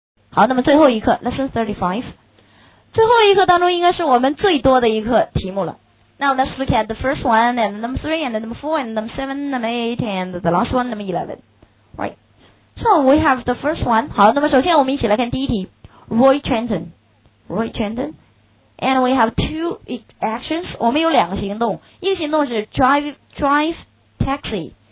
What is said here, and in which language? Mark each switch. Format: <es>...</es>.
<zh>好，那么最后一课 Lesson 35，最后一课当中应该是我们最多的一课题目了。</zh> <en>Now let's look at the first one and number 3 and number 4 and number 7 number 8 and the last one number 11. Right. So we have the first one.</en> <zh>好，那么首先我们一起来看第一题。</zh> <en>Roy Trenton. And we have two actions.</en> <zh>我们有两个行动。一个行动是 drive taxi.</zh>